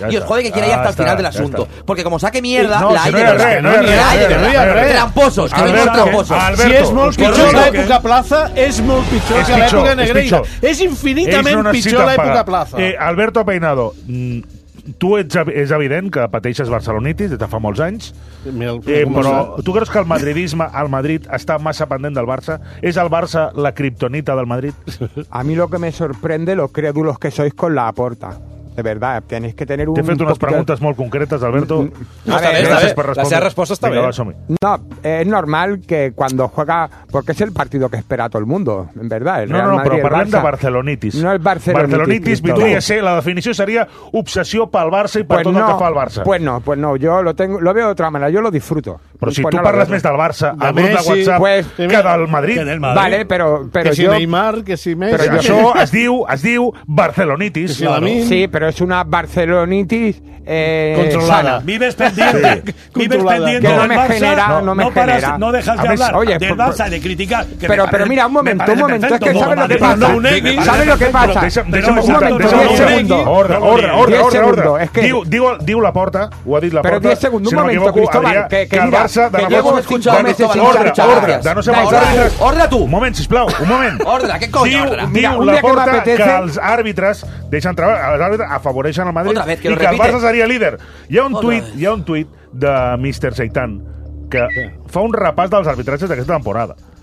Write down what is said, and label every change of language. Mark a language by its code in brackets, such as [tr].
[es] Y os jode que quiera ir hasta el final del asunto. Porque como saque mierda, la hay de verdad. Tramposos. Si es muy pichón la época plaza, es muy pichón la época Negreira. Es infinitamente pichón la época plaza. Alberto Peinado. [ca] Tu ets, és evident que pateixes barcelonitis des de fa molts anys, però tu creus que el madridisme, el Madrid, està massa pendent del Barça? És el Barça la kriptonita del Madrid? [es] A mi lo que me sorprende, lo crédulos que sois con la Porta. De verdad, tenéis que tener un... [ca] T'he fet unes preguntes molt concretes, Alberto. La seva resposta està bé. [es] No, es normal que cuando juega... Porque es el partido que espera todo el mundo, en verdad. [ca] Parlem de barcelonitis. No el barcelonitis. Barcelonitis, la definició seria obsessió pel Barça i per tot el que fa el Barça. [es] Pues no, yo lo veo de otra manera, yo lo disfruto. [ca] Però si tu parles més del Barça, al grup de WhatsApp, que del Madrid. Vale, però jo... Que si Neymar, que si Messi... Però això es diu barcelonitis. Sí, però és una barcelonitis [es] controlada. Vives pendiente. Que no me genera. No dejas de hablar. Oye, del Barça, de criticar. Pero mira, un momento. Es que sabes lo que pasa. ¿Sabes lo que pasa? Un momento, 10 segundos. [ca] Orde. Diu la porta, ho ha dit la porta. [es] Pero 10 segundos, un momento, Cristóbal. Que el Barça... Que ya hemos escuchado a Cristóbal. [ca] Orde [es] tú. [ca] Un moment, sisplau. Un moment. [es] Orde, ¿qué coño? [ca] Diu la porta que els àrbitres deixen treballar... afavoreixen el Madrid i que el Barça seria líder. Hi ha un tuit de Mr. Seitan que fa un repàs dels arbitratges d'aquesta temporada.